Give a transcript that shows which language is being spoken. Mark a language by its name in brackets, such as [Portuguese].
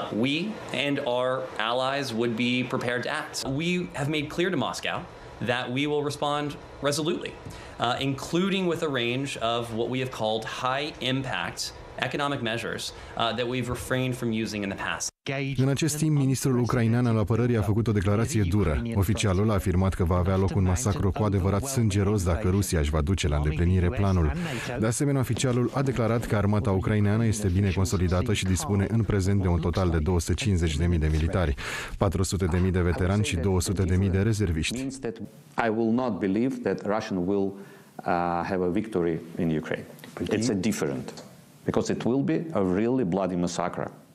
[English] We and our allies would be prepared to act. We have made clear to Moscow that we will respond resolutely, including with a range of what we have called high impact economic measures that we've refrained from using in the past. [Romanian] În acest timp, ministrul ucrainean al apărării a făcut o declarație dură. Oficialul a afirmat că va avea loc un masacru cu adevărat sângeros dacă Rusia își va duce la îndeplinire planul. De asemenea, oficialul a declarat că armata ucraineană este bine consolidată și dispune în prezent de un total de 250.000 de militari, 400.000 de veterani și 200.000 de rezerviști. [English] I will not believe that Russia will have a victory in Ukraine. It's a different because it will be a really bloody massacre.